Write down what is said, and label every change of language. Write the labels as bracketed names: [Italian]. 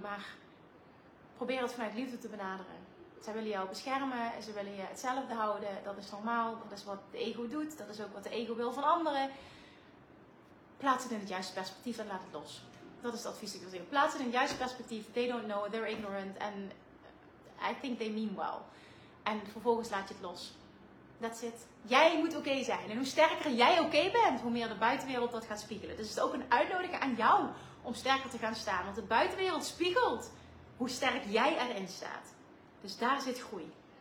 [Dutch] Maar probeer het vanuit liefde te benaderen. Zij willen jou beschermen. Ze willen je hetzelfde houden. Dat is normaal. Dat is wat de ego doet. Dat is ook wat de ego wil van anderen. Plaats het in het juiste perspectief en laat het los. Dat is het advies dat ik wil zeggen. Plaats het in het juiste perspectief. [English] They don't know. They're ignorant. En I think they mean well. [Dutch] En vervolgens laat je het los. [English] That's it. [Dutch] Jij moet oké zijn. En hoe sterker jij oké bent, hoe meer de buitenwereld dat gaat spiegelen. Dus het is ook een uitnodiging aan jou om sterker te gaan staan. Want de buitenwereld spiegelt hoe sterk jij erin staat. Dus daar zit groei.